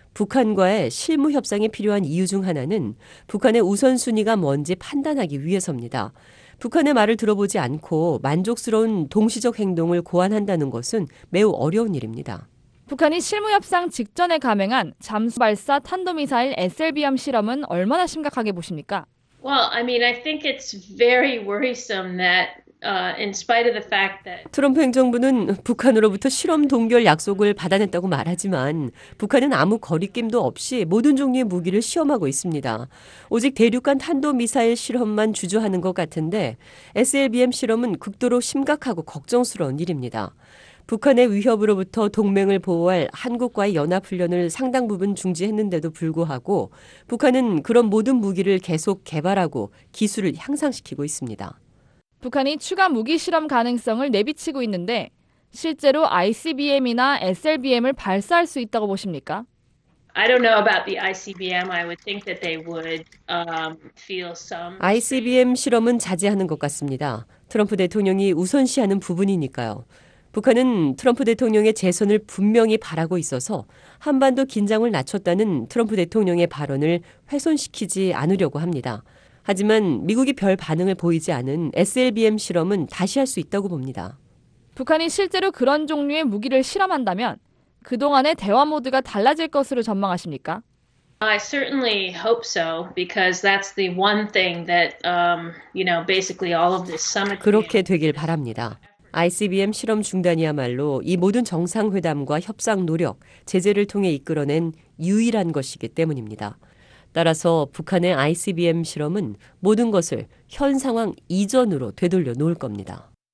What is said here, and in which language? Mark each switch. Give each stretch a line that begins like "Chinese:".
Korean: 북한과의 실무 협상이 필요한 이유 중 하나는 북한의 우선순위가 뭔지 판단하기 위해서입니다. 북한의 말을 들어보지 않고 만족스러운 동시적 행동을 고안한다는 것은 매우 어려운 일입니다. 북한이 실무협상 직전에 감행한 잠수발사 탄도미사일 SLBM 실험은 얼마나 심각하게 보십니까?
English: Well, I mean, I think it's very worrisome that in spite of the fact that
Korean: 트럼프 행정부는 북한으로부터 실험 동결 약속을 받아냈다고 말하지만 북한은 아무 거리낌도 없이 모든 종류의 무기를 시험하고 있습니다. 오직 대륙간 탄도미사일 실험만 주저하는 것 같은데 SLBM 실험은 극도로 심각하고 걱정스러운 일입니다. 북한의 위협으로부터 동맹을 보호할 한국과의 연합훈련을 상당 부분 중지했는데도 불구하고 북한은 그런 모든 무기를 계속 개발하고 기술을 향상시키고 있습니다. 북한이 추가 무기 실험 가능성을 내비치고 있는데 실제로 ICBM이나 SLBM을 발사할 수 있다고 보십니까?
English: I don't know about the ICBM. I would think that they would feel some
Korean: ICBM 실험은 자제하는 것 같습니다. 트럼프 대통령이 우선시하는 부분이니까요. 북한은 트럼프 대통령의 재선을 분명히 바라고 있어서 한반도 긴장을 낮췄다는 트럼프 대통령의 발언을 훼손시키지 않으려고 합니다. 하지만 미국이 별 반응을 보이지 않은 SLBM 실험은 다시 할 수 있다고 봅니다. 북한이 실제로 그런 종류의 무기를 실험한다면 그동안의 대화 모드가 달라질 것으로 전망하십니까?
English: I certainly hope so because that's the one thing that you know basically all of this summit
Korean: 그렇게 되길 바랍니다. ICBM 실험 중단이야말로 이 모든 정상회담과 협상 노력, 제재를 통해 이끌어낸 유일한 것이기 때문입니다. 따라서 북한의 ICBM 실험은 모든 것을 현 상황 이전으로 되돌려 놓을 겁니다.